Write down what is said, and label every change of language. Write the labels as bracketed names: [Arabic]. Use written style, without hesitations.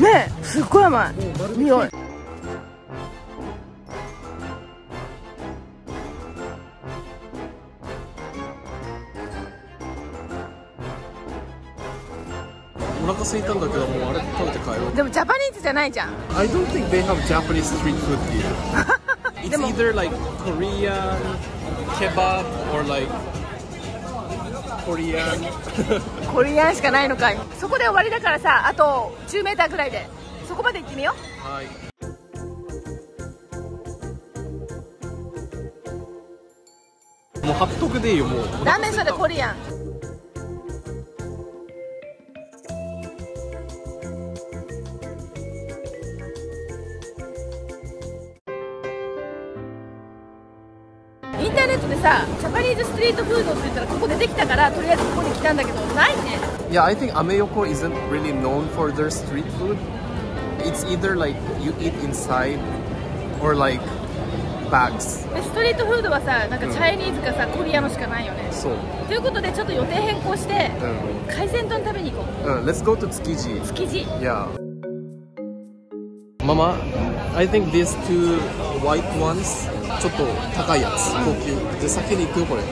[Japanese] ねえ、すっごい甘い。匂い。お腹すいたんだけど、もうあれ食べて帰ろう。でもジャパニーズじゃないじゃん。 [English] I don't think they have Japanese street food here. It's either like Korean kebab or like Korean. [Japanese] コリアンしかないのかい。そこで終わりだからさ、あと10メーターぐらいでそこまで行ってみよう。はい。もう8得でいいよ。もうダメ、それコリアン。インターネットでさ、ジャパニーズストリートフードって言ったらここ出てきたから、とりあえずここに来たんだけど、ないね。 [English] Yeah, I think Ameyoko isn't really known for their street food. It's either like you eat inside or like bags. [Japanese] ストリートフードはさ、なんかチャイニーズかさ、コリアのしかないよね。そう。ということで、ちょっと予定変更して、海鮮丼食べに行こう。 [English] Let's go to Tsukiji. Tsukiji. Yeah. Mama, I think these two white ones, [Japanese] ちょっと高いやつ、高級。で、先に行くよ、これ。